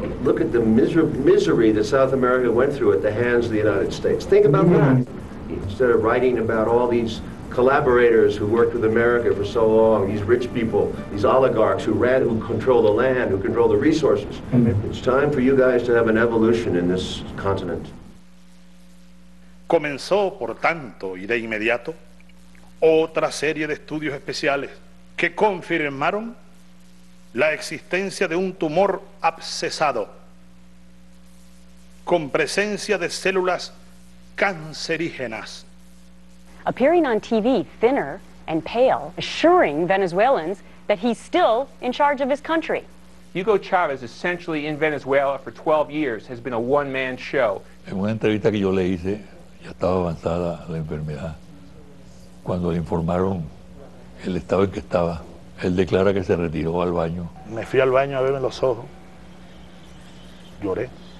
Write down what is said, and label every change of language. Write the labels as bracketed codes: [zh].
[en] Look at the misery that South America went through at the hands of the United States. Think about that. Instead of writing about all these collaborators who worked with America for so long, these rich people, these oligarchs who ran, who control the land, who control the resources. It's time for you guys to have an evolution in this continent. [es] Comenzó, por tanto, y de inmediato, otra serie de estudios especiales que confirmaron la existencia de un tumor abscesado con presencia de células cancerígenas. [en] Appearing on TV thinner and pale, assuring Venezuelans that he's still in charge of his country. Hugo Chavez, essentially in Venezuela for 12 years, has been a one-man show. [es] En una entrevista que yo le hice, ya estaba avanzada la enfermedad. Cuando le informaron el estado en que estaba, él declara que se retiró al baño. Me fui al baño a verme los ojos. Lloré.